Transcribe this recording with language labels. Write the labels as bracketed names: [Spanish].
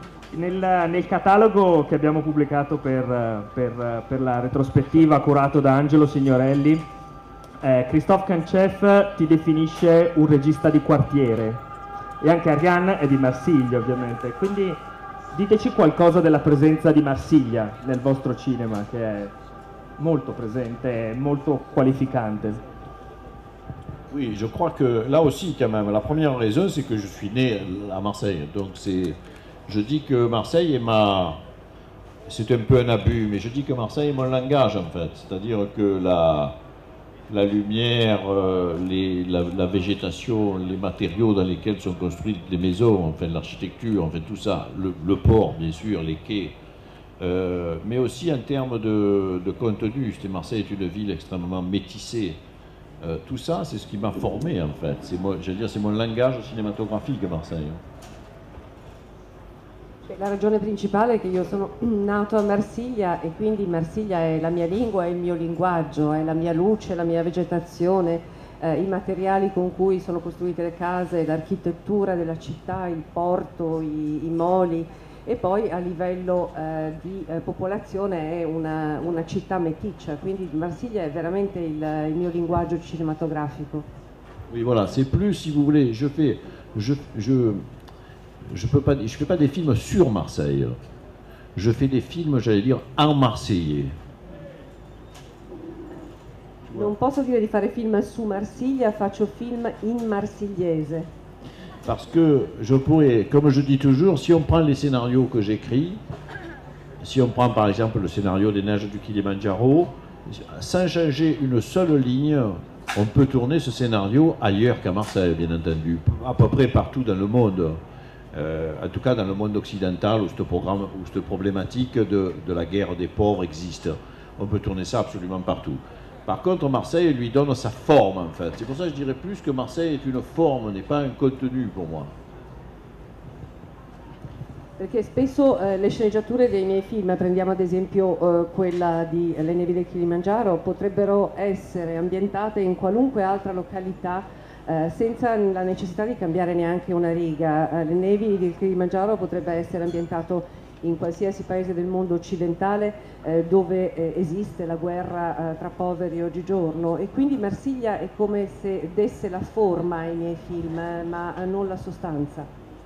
[Italian] Nel catalogo che abbiamo pubblicato per la retrospettiva curato da Angelo Signorelli, Christophe Kantchev ti definisce un regista di quartiere. E anche Ariane è di Marsiglia, ovviamente. Quindi diteci qualcosa della presenza di Marsiglia nel vostro cinema, che è molto presente, molto qualificante. [French] Oui, je crois que là aussi quand même la première raison c'est que je suis né à Marseille. Donc je dis que Marseille est ma, c'est un peu un abus, mais je dis que Marseille est mon langage, en fait, c'est-à-dire que la lumière, la végétation, les matériaux dans lesquels sont construites les maisons, enfin l'architecture, enfin tout ça, le port bien sûr, les quais, mais aussi en termes de contenu, c'est Marseille est une ville extrêmement métissée, tout ça c'est ce qui m'a formé, en fait, c'est mon langage cinématographique, Marseille. [Italian] La ragione principale è che io sono nato a Marsiglia, e quindi Marsiglia è la mia lingua, è il mio linguaggio, è la mia luce, la mia vegetazione, i materiali con cui sono costruite le case, l'architettura della città, il porto, i moli. E poi a livello di popolazione è una città meticcia, quindi Marsiglia è veramente il mio linguaggio cinematografico. [French] Oui, voilà, c'est plus, si vous voulez, je fais, je fais pas des films sur Marseille. Je fais des films, j'allais dire, en marseillais. [Italian] Non posso dire di fare film su Marsiglia, faccio film in marsigliese. [French] Parce que je pourrais, comme je dis toujours, si on prend les scénarios que j'écris, si on prend par exemple le scénario des neiges du Kilimanjaro, sans changer une seule ligne, on peut tourner ce scénario ailleurs qu'à Marseille, bien entendu, à peu près partout dans le monde. En tout cas dans le monde occidental où ce programme, où cette problématique de la guerre des pauvres existe, on peut tourner ça absolument partout. Par contre, Marseille lui donne sa forme, en fait. C'est pour ça que je dirais plus que Marseille est une forme, n'est pas un contenu pour moi. [Italian] Perché spesso le sceneggiature dei miei film, prendiamo ad esempio quella di Le nevi del Kilimanjaro, potrebbero essere ambientate in qualunque altra località senza la necessità di cambiare neanche una riga. Le nevi del Kilimanjaro potrebbe essere ambientato in qualsiasi paese del mondo occidentale dove esiste la guerra tra poveri oggigiorno, e quindi Marsiglia è come se desse la forma ai miei film ma non la sostanza.